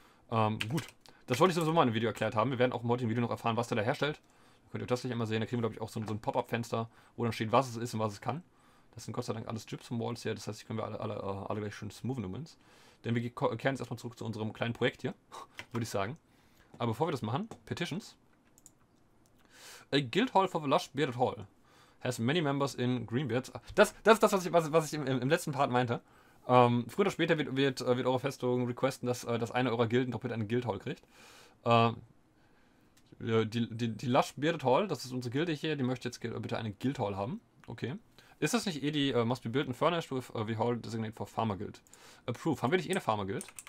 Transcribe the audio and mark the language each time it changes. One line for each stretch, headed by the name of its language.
German: Gut, das wollte ich sowieso mal in einem Video erklärt haben. Wir werden auch im heutigen Video noch erfahren, was der da herstellt. Könnt ihr das nicht einmal sehen? Da kriegen wir, glaube ich, auch so ein Pop-up-Fenster, wo dann steht, was es ist und was es kann. Das sind Gott sei Dank alles Gypsum Walls hier. Das heißt, hier können wir alle gleich schön smoothen übrigens. Denn wir kehren jetzt erstmal zurück zu unserem kleinen Projekt hier, würde ich sagen. Aber bevor wir das machen, Petitions.
English: A Guild Hall for the Lush Bearded Hall has many members in Greenbeards.
German: Das ist das, was ich im letzten Part meinte. Früher oder später wird eure Festung requesten, dass eine eurer Gilden doppelt einen Guild Hall kriegt. Die Lush Bearded Hall, das ist unsere Gilde hier, die möchte jetzt bitte eine Guild Hall haben. Okay. Ist das nicht eh die
English: Must be built and furnished with the hall designated for Farmer Guild? Approve.
German: Haben wir nicht eh eine Farmer Guild?